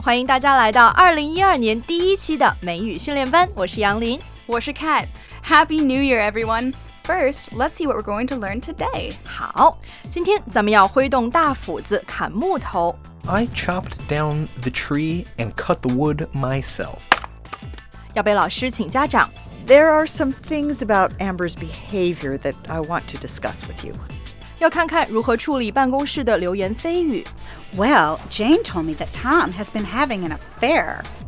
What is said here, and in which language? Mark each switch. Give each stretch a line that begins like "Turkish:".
Chinese: 欢迎大家来到2012年第一期的美语训练班。我是杨林，我是
English: Kat。Happy New Year, everyone! First, let's see what we're going to learn today.
Chinese: 好，今天咱们要挥动大斧子砍木头。
English: I chopped down the tree and cut the wood myself.
Chinese: 要被老师请家长。
English: There are some things about Amber's behavior that I want to discuss with you.
Chinese: 要看看如何处理办公室的流言蜚语。
English: Well, Jane told me that Tom has been having an affair.